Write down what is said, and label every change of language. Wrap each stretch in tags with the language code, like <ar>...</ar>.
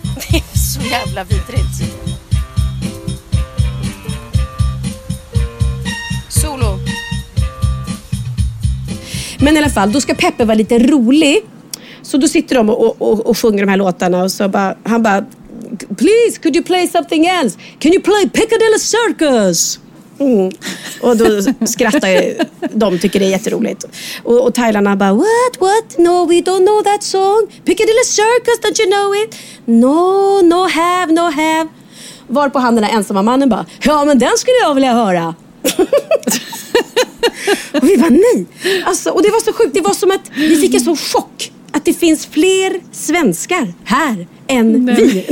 <sv>Det är så jävla vidrigt. Solo. Men i alla fall, då ska Peppe vara lite rolig. Så då sitter de och sjunger de här låtarna. Och så bara, han bara,</sv> <en>please, could you play something else? Can you play Piccadilly Circus? Mm.</en> <sv>Och då skrattar ju de, tycker det är jätteroligt. Och thailarna bara,</sv> <en>what, no, we don't know that song. Piccadilly Circus, don't you know it? No, no have.</en> <sv>Varpå han, den där ensamma mannen, bara, ja, men den skulle jag vilja höra. Och vi bara, nej alltså. Och det var så sjukt, det var som att vi fick en sån chock att det finns fler svenskar här än vi.</sv>